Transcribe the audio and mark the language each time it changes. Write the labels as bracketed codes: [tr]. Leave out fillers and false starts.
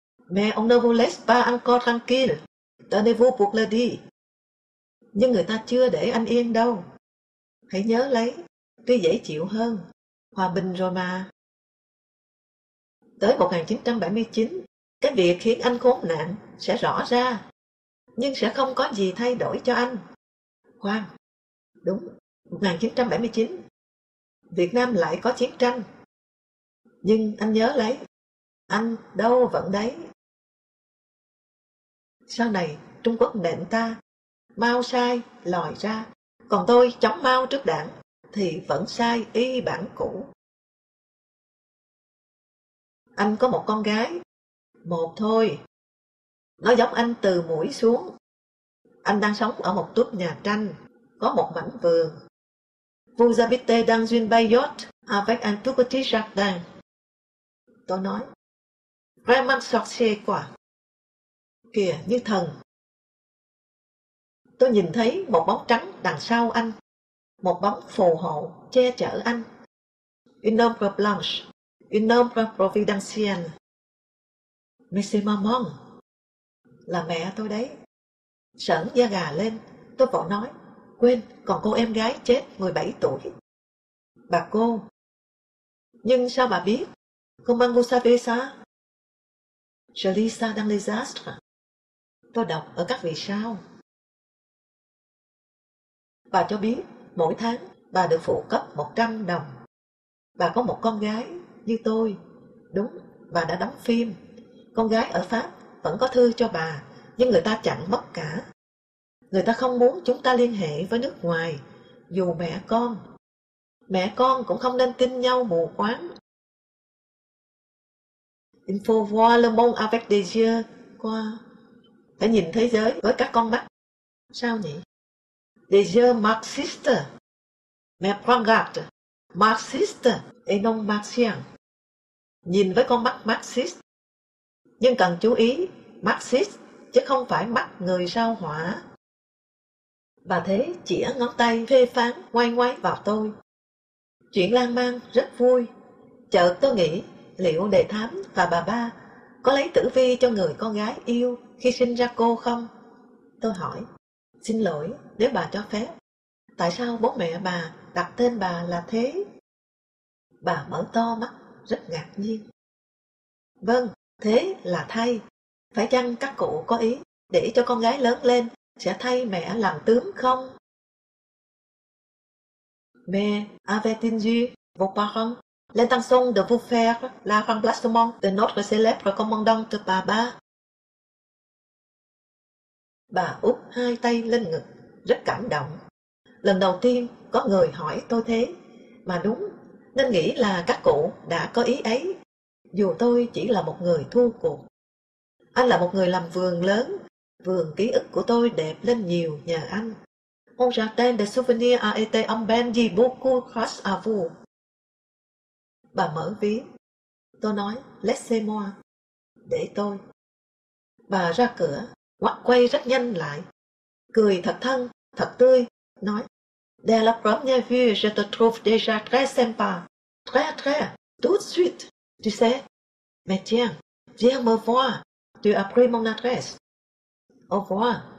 [fr] Mais on ne vous laisse pas encore tranquille. Tenez-vous pour le dit. [vi] Nhưng người ta chưa để anh yên đâu. Hãy nhớ lấy, tuy dễ chịu hơn, hòa bình rồi mà. Tới 1979, cái việc khiến anh khốn nạn sẽ rõ ra, nhưng sẽ không có gì thay đổi cho anh. Khoan, đúng, 1979, Việt Nam lại có chiến tranh. Nhưng anh nhớ lấy, anh đâu vẫn đấy. Sau này, Trung Quốc nện ta, Mao sai, lòi ra, còn tôi chống Mao trước đảng, thì vẫn sai y bản cũ. Anh có một con gái, một thôi. Nó giống anh từ mũi xuống. Anh đang sống ở một túp nhà tranh, có một mảnh vườn. [fr] Vous habitez dans une belle yacht avec un tout petit jardin. [vi] Tôi nói, [fr] vraiment sorcier [vi] quá. Kìa như thần. Tôi nhìn thấy một bóng trắng đằng sau anh, một bóng phù hộ che chở anh. [fr] Une ombre blanche. Une ombre providentielle. Merci maman. [vi] Là mẹ tôi đấy. Sởn da gà lên, tôi vội nói, quên, còn cô em gái chết 17 tuổi. Bà cô. Nhưng sao bà biết? [fr] Comment vous savez ça? Je lis ça dans les astres. [vi] Tôi đọc ở các vì sao. Bà cho biết, mỗi tháng bà được phụ cấp 100 đồng. Bà có một con gái như tôi. Đúng, bà đã đóng phim. Con gái ở Pháp vẫn có thư cho bà, nhưng người ta chặn mất cả. Người ta không muốn chúng ta liên hệ với nước ngoài, dù mẹ con. Mẹ con cũng không nên tin nhau mù quáng. [fr] Il faut voir le monde avec des yeux quoi? [vi] Phải nhìn thế giới với các con mắt. Sao nhỉ? [fr] Des yeux marxistes. Mais regarde, marxiste et non marxien. [vi] Nhìn với con mắt marxist. Nhưng cần chú ý, marxist chứ không phải mắt người sao hỏa. Và thế chỉa ngón tay phê phán ngoay ngoay vào tôi. Chuyện lan man rất vui. Chợt tôi nghĩ, liệu đề thám và bà ba có lấy tử vi cho người con gái yêu khi sinh ra cô không? Tôi hỏi, xin lỗi nếu bà cho phép. Tại sao bố mẹ bà đặt tên bà là thế? Bà mở to mắt, rất ngạc nhiên. Vâng, thế là thay. Phải chăng các cụ có ý để cho con gái lớn lên sẽ thay mẹ làm tướng không? [fr] Mais avait-il vos parents l'intention de vous faire la remplacement de notre célèbre commandante bà ba? [vi] Bà úp hai tay lên ngực, rất cảm động. Lần đầu tiên có người hỏi tôi thế, mà đúng, nên nghĩ là các cụ đã có ý ấy, dù tôi chỉ là một người thua cuộc. Anh là một người làm vườn lớn, vườn ký ức của tôi đẹp lên nhiều nhờ anh. [fr] Mon jardin de souvenir a été embelli beaucoup grâce à vous. [vi] Bà mở ví, tôi nói, [fr] laissez-moi, [vi] để tôi. Bà ra cửa, ngoắt quay rất nhanh lại, cười thật thân, thật tươi, nói, [fr] de la première vue, je te trouve déjà très sympa, très très, tout de suite, tu sais, mais tiens, viens me voir, tu as pris mon adresse, au revoir.